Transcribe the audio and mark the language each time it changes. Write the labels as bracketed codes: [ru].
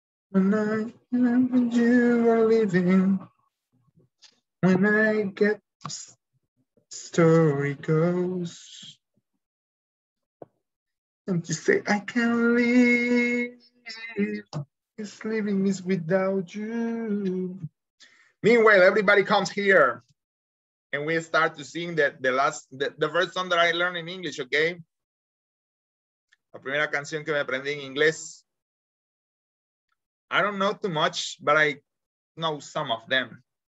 [en] When I remember you are leaving, when I get story goes, and you say I can't live, this living is without you. Meanwhile, everybody comes here, and we start to sing the first song that I learned in English, okay? [es] La primera canción que me aprendí en inglés. [en] I don't know too much, but I know some of them.